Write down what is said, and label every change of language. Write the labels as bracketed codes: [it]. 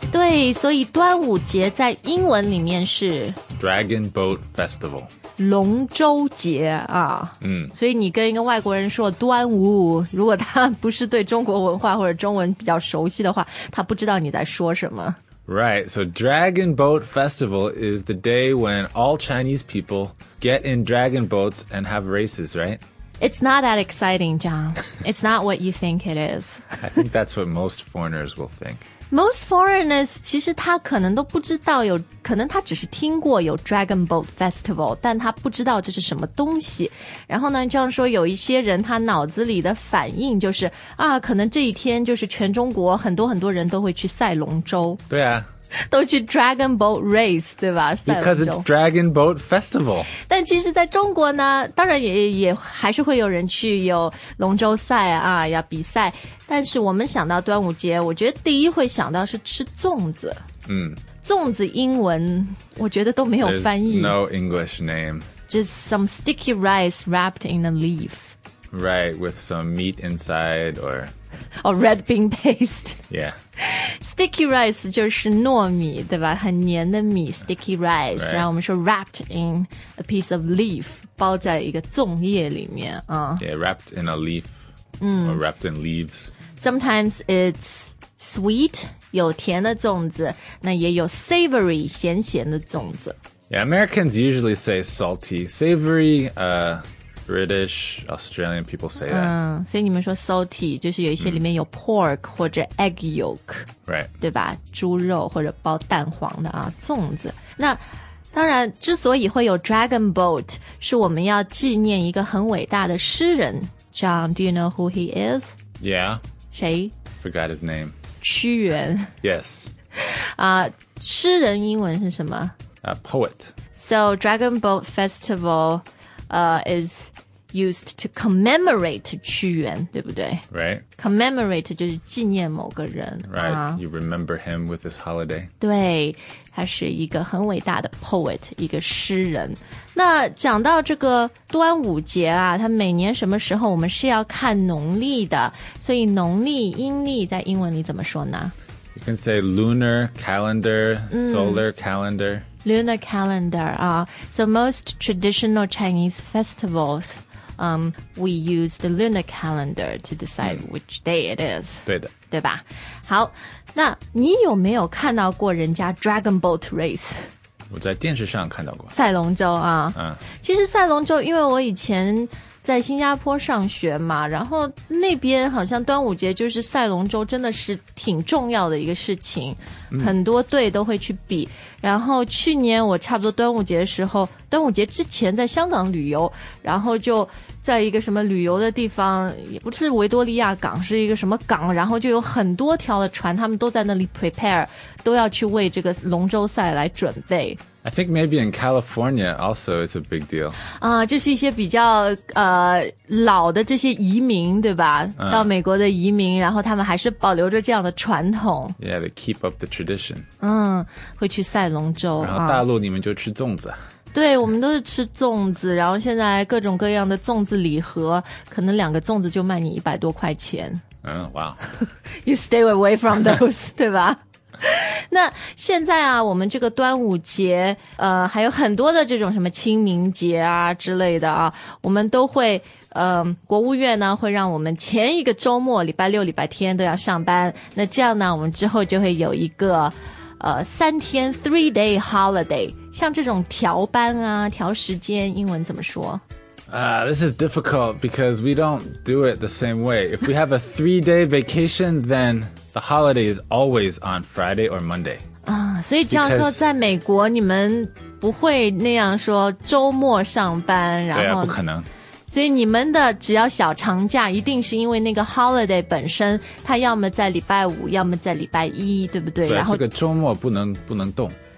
[zh] 对，所以端午节在英文里面是 [en] Dragon Boat Festival, [zh] 龙舟节啊。所以你跟一个外国人说端午，如果他不是对中国文化或者中文比较熟悉的话，他不知道你在说什么。 [en] Right, so Dragon Boat Festival is the day when all Chinese people get in dragon boats and have races, right? It's not that exciting, John. It's not what you think it is. I think that's what most foreigners will think. Most foreigners, [zh] 其实他可能都不知道有，可能他只是听过有 Dragon Boat Festival, 但他不知道这是什么东西。然后呢，这样说有一些人他脑子里的反应就是，啊，可能这一天就是全中国很多很多人都会去赛龙舟。对啊。都去 Dragon Boat Race, 对吧? [en] Because it's Dragon Boat Festival. [zh] 但其实在中国呢,当然 也还是会有人去有龙舟赛啊,要比赛。但是我们想到端午节,我觉得第一会想到是吃粽子。粽子英文,我觉得都没有翻译。 [en] There's no English name. Just some sticky rice wrapped in a leaf. Right, with some meat inside or... Or red bean paste. Yeah. [zh] Sticky rice 就是糯米对吧很黏的米 sticky rice.、 [en] Right. [zh] 然后我们说 [en] wrapped in a piece of leaf, [zh] 包在一个粽叶里面、 [en] Yeah, wrapped in a leaf,、or wrapped in leaves. Sometimes it's sweet, [zh] 有甜的粽子那也有 savory, 咸咸的粽子。 [en] Yeah, Americans usually say salty. Savory, British, Australian people say that. [zh] 所以你们说 salty, 就是有一些里面有 pork 或者 egg yolk. [en] Right. [zh] 对吧?猪肉或者包蛋黄的啊,粽子。那当然之所以会有 dragon boat, 是我们要纪念一个很伟大的诗人。 [en] John, do you know who he is? Yeah. [zh] 谁? [en] Forgot his name. [zh] 屈原。 [en] Yes. [zh] 诗人英文是什么? [en] Poet. So, dragon boat festival... is used to commemorate 屈原 [zh] 对不对 [en] Right. [zh] Commemorate 就是纪念某个人 [en] Right.、You remember him with this holiday. [zh] 对他是一个很伟大的 poet, 一个诗人。那讲到这个端午节啊他每年什么时候我们是要看农历的所以农历阴历在英文里怎么说呢 [en] You can say lunar calendar, solar calendar. Lunar calendar, so most traditional Chinese festivals, we use the lunar calendar to decide which day it is. [zh] 对的。对吧？好，那你有没有看到过人家 Dragon Boat Race? 我在电视上看到过。赛龙舟啊。其实赛龙舟，因为我以前在新加坡上学嘛，然后那边好像端午节就是赛龙舟真的是挺重要的一个事情，很多队都会去比。然后去年我差不多端午节的时候，端午节之前在香港旅游，然后就在一个什么旅游的地方，也不是维多利亚港，是一个什么港，然后就有很多条的船，他们都在那里 prepare, 都要去为这个龙舟赛来准备。 [en] I think maybe in California also it's a big deal. [zh] 就是一些比较老的这些移民对吧到美国的移民然后他们还是保留着这样的传统。 [en] Yeah, they keep up the tradition. [zh] 会去赛龙舟。然后大陆你们就吃粽子。对我们都是吃粽子然后现在各种各样的粽子礼盒可能两个粽子就卖你100多块钱。 [en] Wow. You stay away from those, [zh] 对吧那现在啊我们这个端午节还有很多的这种什么清明节啊之类的啊我们都会国务院呢会让我们前一个周末礼拜六礼拜天都要上班那这样呢我们之后就会有一个三天 three day holiday 像这种调班啊调时间英文怎么说 [en] This is difficult because we don't do it the same way. If we have a three day vacation, then the holiday is always on Friday or Monday. [zh] 所以这样说在美国你们不会那样说周末上班然后对啊不可能。所以你们的只要小长假一定是因为那个 holiday 本身它要么在礼拜五要么在礼拜一对不对对然后这个周末不能动。